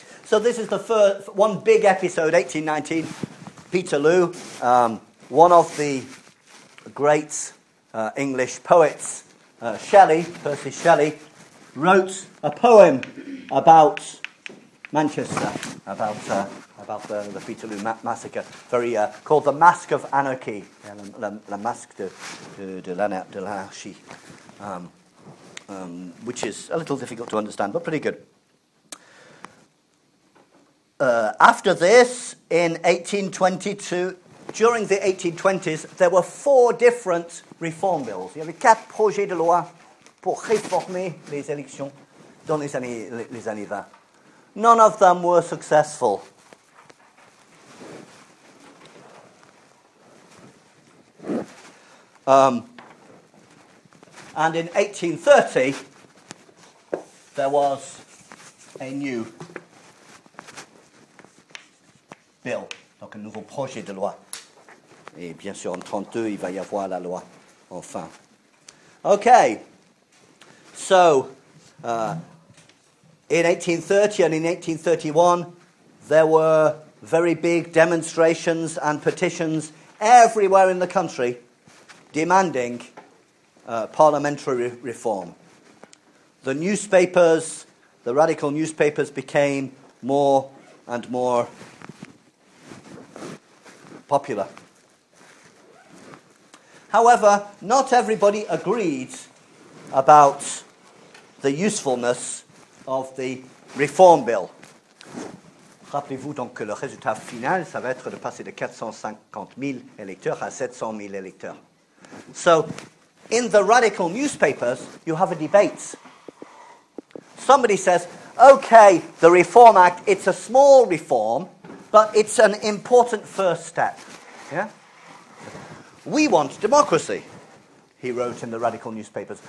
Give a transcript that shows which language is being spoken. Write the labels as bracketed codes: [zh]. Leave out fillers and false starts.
[en] So this is the first one big episode, 1819, Peterloo, one of the great English poets, Shelley, Percy Shelley, wrote a poem about Manchester, about the Peterloo massacre, called The Mask of Anarchy, [fr] La Masque de l'Anarchie, [en] which is a little difficult to understand, but pretty good. After this, in 1822, during the 1820s, there were four different reform bills. [fr] Il y avait quatre projets de loi pour réformer les élections dans les années 20. [en] None of them were successful. And in 1830, there was a new bill, [fr] donc un nouveau projet de loi. Et bien sûr, en 32, il va y avoir la loi, enfin. [en] Okay, so in 1830 and in 1831, there were very big demonstrations and petitions everywhere in the country demanding parliamentary reform. The newspapers, the radical newspapers, became more and more popular. However, not everybody agreed about the usefulness of the reform bill. [fr] Rappelez-vous donc que le résultat final, ça va être de passer de 450 000 électeurs à 700 000 électeurs. [en] So, in the radical newspapers, you have a debate. Somebody says, okay, the Reform Act, it's a small reform, but it's an important first step. Yeah? We want democracy, he wrote in the radical newspapers.